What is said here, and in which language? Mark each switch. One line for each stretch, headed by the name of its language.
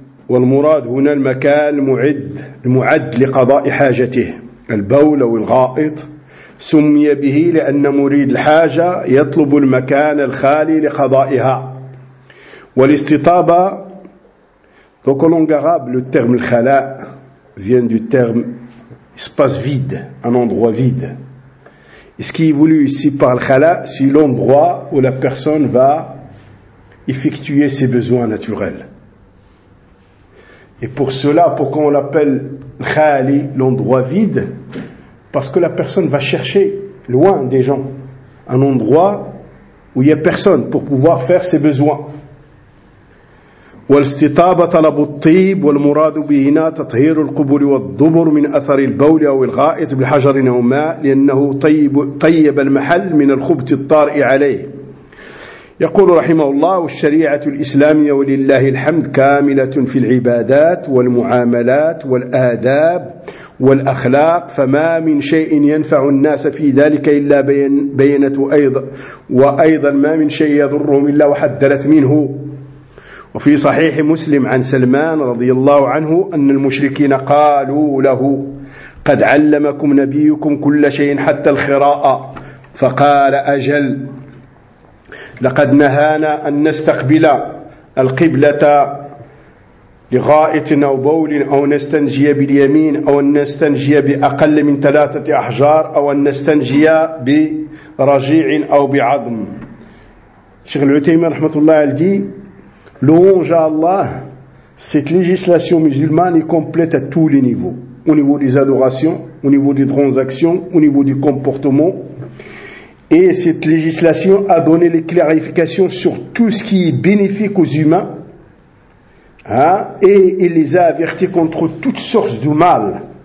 Arabic: والمراد هنا المكان المعد لقضاء حاجته، البول أو الغائط، سمي به لأن مريد الحاجة يطلب المكان الخالي لقضائها.
French: والاستطابة donc en langue arabe le terme الخلاء vient du terme espace vide, un endroit vide. Ce qui est voulu ici par الخلاء c'est l'endroit où la personne va effectuer ses besoins naturels. Et pour cela, pourquoi on l'appelle Khali, l'endroit vide? Parce que la personne va chercher loin des gens, un endroit où il n'y a personne pour pouvoir faire ses besoins.
Arabic: والاستطابة طلب الطيب والمراد بهنا تطهير القبول والدبر من أثر البول أو الغائط بالحجر أو ماء لأنه طيب المحل من الخبت الطارئ عليه. يقول رحمه الله الشريعة الإسلامية ولله الحمد كاملة في العبادات والمعاملات والآداب والأخلاق فما من شيء ينفع الناس في ذلك إلا بينت أيضا وأيضا ما من شيء يضرهم إلا وحدثت منه. وفي صحيح مسلم عن سلمان رضي الله عنه أن المشركين قالوا له قد علمكم نبيكم كل شيء حتى الخراء، فقال أجل، لقد نهانا أن نستقبل القبلة لغائط أو بول، أو نستنجي باليمين، أو نستنجي بأقل من ثلاثة أحجار، أو نستنجي برجيع أو بعظم. شيخ العثيمين رحمة الله عليه قال لونجه الله
French: cette législation musulmane est complète à tous les niveaux, au niveau des adorations, au niveau des transactions, au niveau du comportement. Et cette législation a donné les clarifications sur tout ce qui est bénéfique aux humains, hein, et il les a avertis contre toutes sources de mal.